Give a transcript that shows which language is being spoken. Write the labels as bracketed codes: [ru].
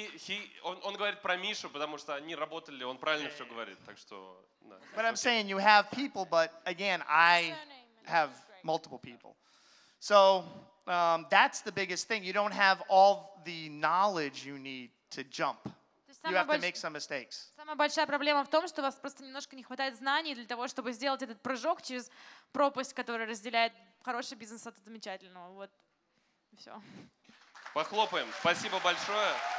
[ru] Он говорит про Мишу, потому что они работали, он правильно все говорит, так что. [en] But I'm saying you have people, but again, I have multiple people. So that's the biggest thing. You don't have all the knowledge you need to jump. You have to make some mistakes. [ru] Самая большая проблема в том, что у вас просто немножко не хватает знаний для того, чтобы сделать этот прыжок через пропасть, которая разделяет хороший бизнес от замечательного. Вот и все. Похлопаем. Спасибо большое.